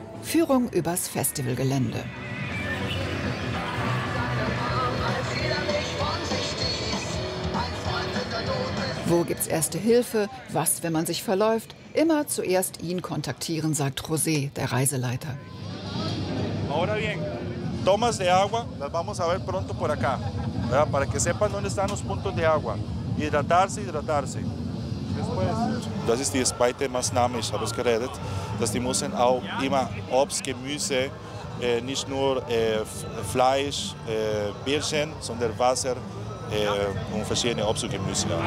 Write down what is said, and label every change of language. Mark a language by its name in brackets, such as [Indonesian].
[German] Führung übers Festivalgelände. Wo gibt's erste Hilfe? Was, wenn man sich verläuft? Immer zuerst ihn kontaktieren, sagt José, der Reiseleiter. [Spanish] Ahora bien, tomas de agua, las vamos a ver pronto por acá. Para que sepan dónde están los puntos de agua. Hidratarse, hidratarse. [German] Das ist die zweite Maßnahme, ich habe es geredet, dass die müssen auch immer Obst, Gemüse, nicht nur Fleisch, Bierchen, sondern Wasser und verschiedene Obst und Gemüse.